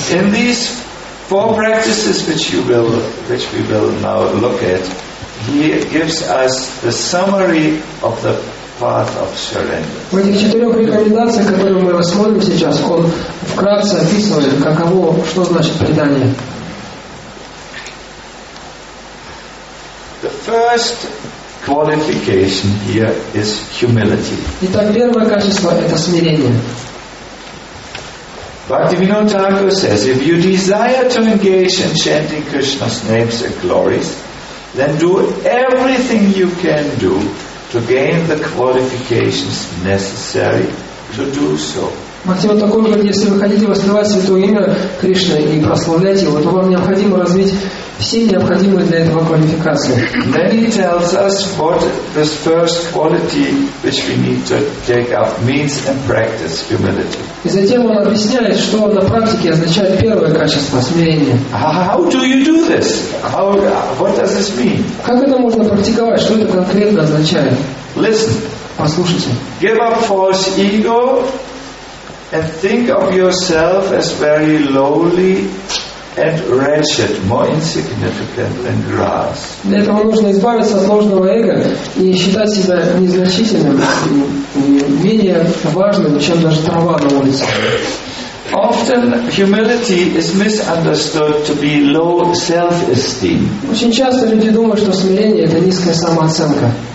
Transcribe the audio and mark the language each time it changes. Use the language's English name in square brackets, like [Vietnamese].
[English] In these four practices which we will now look at, he gives us the summary of the path of surrender. [Russian] В этих четырех рекомендациях, которые мы рассмотрим сейчас, он вкратце описывает, каково, что значит предание. [English] The first qualification here is humility. [Russian] Итак, первое качество – это смирение. [English] Bhaktivinoda Thakur says, if you desire to engage in chanting Krishna's names and glories, then do everything you can do to gain the qualifications necessary to do so. [Russian] Бхактивинода Такур говорит, если вы хотите воспевать святое имя Кришны и прославлять его, то вам необходимо развить все необходимые для этого квалификации. [English] Then he tells us what this first quality which we need to take up means and practice humility. [Russian] И затем он объясняет, что на практике означает первое качество смирение. [English] How do you do this? What does this mean? [Russian] Как это можно практиковать? Что это конкретно означает? [English] Listen. [Russian] Послушайте. [English] Give up false ego. And think of yourself as very lowly and wretched, more insignificant than grass. [Russian] Для этого нужно избавиться от ложного эго и считать себя незначительным и менее важным, чем даже трава на улице. [English] Often humility is misunderstood to be low self-esteem. [Russian] Очень часто люди думают, что смирение это низкая самооценка.